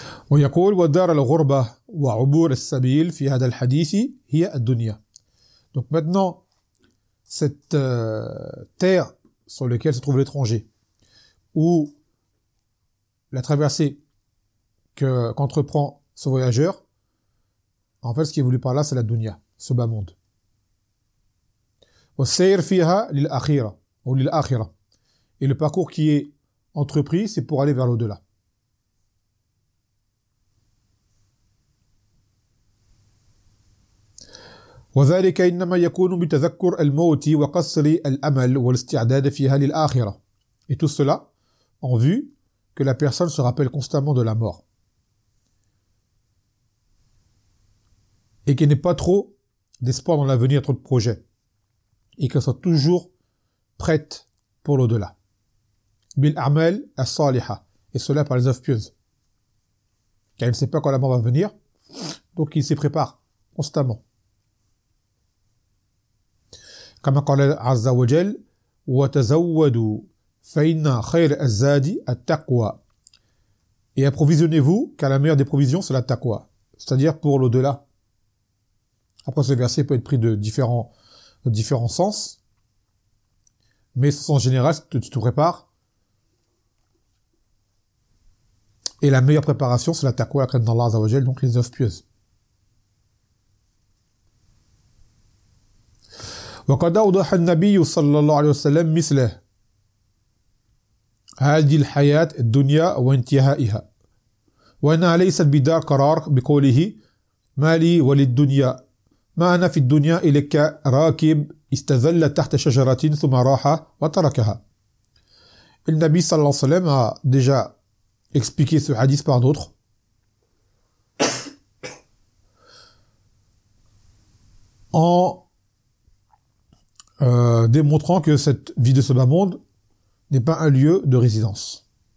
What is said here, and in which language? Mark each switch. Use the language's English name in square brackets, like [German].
[Arabic] ويقول ودار الغربة وعبور السبيل في هذا الحديث هي الدنيا. [French] Donc maintenant, cette terre sur laquelle se trouve l'étranger, ou la traversée qu'entreprend ce voyageur, en fait, ce qui est voulu par là, c'est la dunya, ce bas monde. [Arabic] وسير فيها للآخرة [French] ou [Arabic] للآخرة. [French] Et le parcours qui est entrepris, c'est pour aller vers l'au-delà. [Arabic] وذلك إنما يكون بتذكر الموت وقصر الأمل والاستعداد فيها للآخرة. [French] Et tout cela en vue que la personne se rappelle constamment de la mort. Et qu'il n'ait pas trop d'espoir dans l'avenir, trop de projets. Et qu'elle soit toujours prête pour l'au-delà. [Arabic] بالأعمال الصالحة. [French] Et cela par les œuvres pieuses. Car il ne sait pas quand la mort va venir, donc il s'y prépare constamment. [Arabic] كما قال عز وجل وتزودوا فإن خير الزاد التقوى. [French] Et approvisionnez-vous, car la meilleure des provisions c'est la taqwa, c'est-à-dire pour l'au-delà. Après, ce verset peut être pris de différents sens, mais ce sens général, c'est que tu te prépares, et la meilleure préparation c'est la taqwa, la crainte d'Allah [Arabic] عز وجل, [French] donc les œuvres pieuses. [Arabic] وقد أوضح النبي صلى الله عليه وسلم مثله هذه الحياة الدنيا وانتهائها وأنها ليست بدار قرار بقوله ما لي وللدنيا ما أنا في الدنيا إلا كراكب استذل تحت شجرة ثم راح وتركها. النبي صلى الله عليه وسلم [French] a déjà expliqué ce hadith par d'autres. Démontrant que cette vie de ce bas monde n'est pas un lieu de résidence.